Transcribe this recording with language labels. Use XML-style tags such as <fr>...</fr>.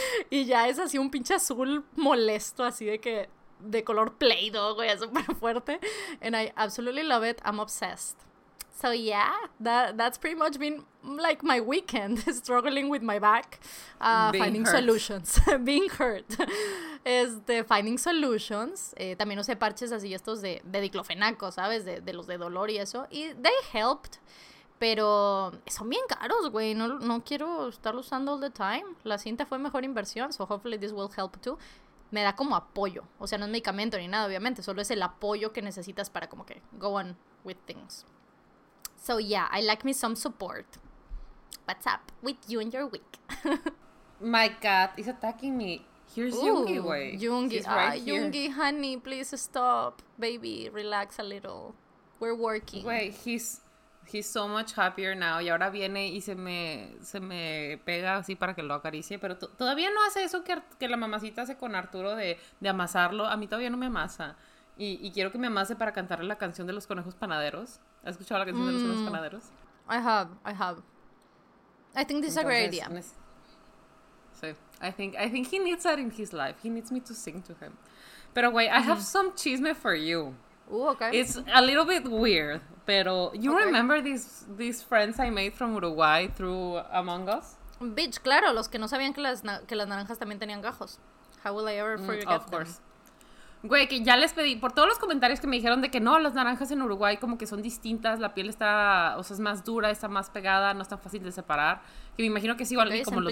<es>Y ya es así un pinche azul molesto, así de que de color Play-Doh, güey, súper fuerte.</es> <en>And I absolutely love it. I'm obsessed. So yeah, that's pretty much been like my weekend, struggling with my back, finding hurt. Solutions. Being hurt. Finding solutions.</en> <es>También usé parches así estos de diclofenaco, ¿sabes? De los de dolor y eso. Y</es> <en>they helped.</en> <es>Pero son bien caros, güey. No quiero estar usando</es> <en>all the time.</en> <es>La cinta fue mejor inversión.</es> <en>So hopefully this will help too.</en> <es>Me da como apoyo. O sea, no es medicamento ni nada, obviamente. Solo es el apoyo que necesitas para como que</es> <en>go on with things. So yeah, I like me some support. What's up with you and your week? My cat is attacking me. Here's ooh, Yoongi, güey. Yoongi, right, Yoongi, honey, please stop. Baby, relax a little. We're working. Wait, He's so much happier now.</en> <es>Y ahora viene y se me pega así para que lo acaricie. Pero todavía no hace eso que la mamacita hace con Arturo de amasarlo. A mí todavía no me amasa. Y quiero que me amase para cantarle la canción de los conejos panaderos. ¿Has escuchado la canción de los conejos panaderos?</es> <en>I have. I think this is a great idea. I think he needs that in his life. He needs me to sing to him.</en> <es>Pero,</es> <en>güey, I have some chisme for you. Ooh, okay. It's a little bit weird,</en> <es>pero</es> <en>you remember these friends I made from Uruguay through Among Us? Bitch,</en> <es>claro, los que no sabían que las naranjas también tenían gajos.</es> <en>How will I ever forget them? Of course.</en> <es>Güey, que ya les pedí, por todos los comentarios que me dijeron de que no, las naranjas en Uruguay como que son distintas, la piel está, o sea, es más dura, está más pegada, no es tan fácil de separar. Que me imagino que es igual que como los</es>